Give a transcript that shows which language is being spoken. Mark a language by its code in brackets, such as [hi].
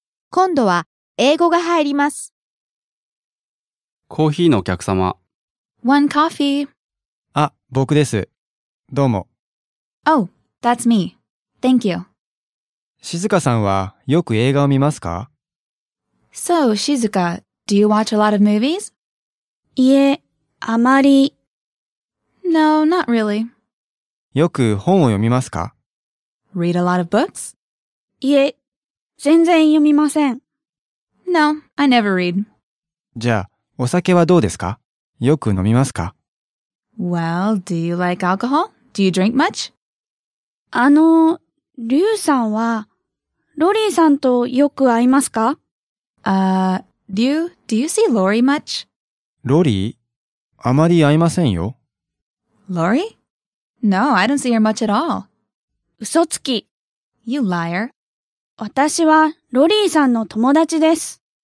[ja] 今度は英語が入ります。コーヒーのお客様。 [en] One coffee. [ja] あ、僕です。どうも。 [en] Oh, that's me. Thank you. [ja] 静香さんはよく映画を見ますか? [en] So, 静香, do you watch a lot of movies? [ja] いえ、あまり。 [en] No, not really. [ja] よく本を読みますか? [en] Read a lot of books? [ja] いえ、全然読みません。 [en] No, I never read. [ja] じゃあ、お酒はどうですか? よく飲みますか? [en] Well, do you like alcohol? Do you drink much? [ja] リュウさんは、ロリーさんとよく会いますか? [en] リュウ、do you see Lori much? [ja] ロリー?あまり会いませんよ。 [en] Lori? No, I don't see her much at all. [ja] 嘘つき。 [en] You liar. [ja] 私はロリーさんの友達です。